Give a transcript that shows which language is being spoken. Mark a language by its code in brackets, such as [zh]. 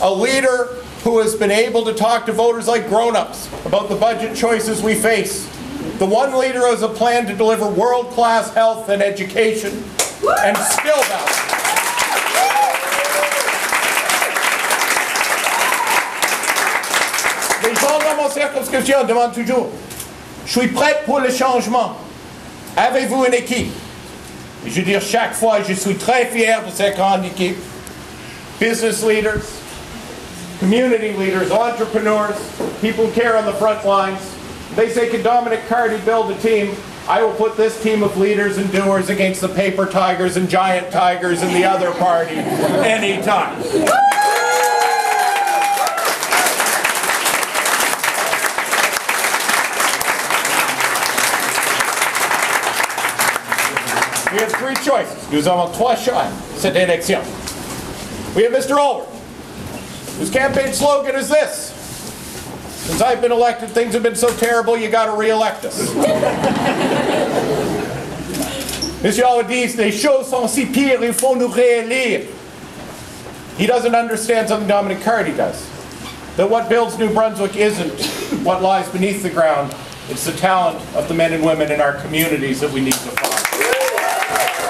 [en] A leader who has been able to talk to voters like grown-ups about the budget choices we face. The one leader who has a plan to deliver world-class health and education and skill value. [fr] Les gens dans mon cercle de discussion demandent toujours, je suis prêt pour le changement. Avez-vous une équipe? Et je veux dire, chaque fois, je suis très fier de cette grande équipe. [en] Business leaders, community leaders, entrepreneurs, people who care on the front lines. They say, can Dominic Cardy build a team? I will put this team of leaders and doers against the paper tigers and giant tigers in the other party anytime. We have three choices. [fr] Nous avons trois choix cette élection. [en] We have Mr. Olbert, whose campaign slogan is this. Since I've been elected, things have been so terrible, you got to re-elect us. [fr] Monsieur Olbert dit, les choses sont si pires, il faut nous réélire. [en] He doesn't understand something Dominic Cardy does. That what builds New Brunswick isn't what lies beneath the ground. It's the talent of the men and women in our communities that we need to find.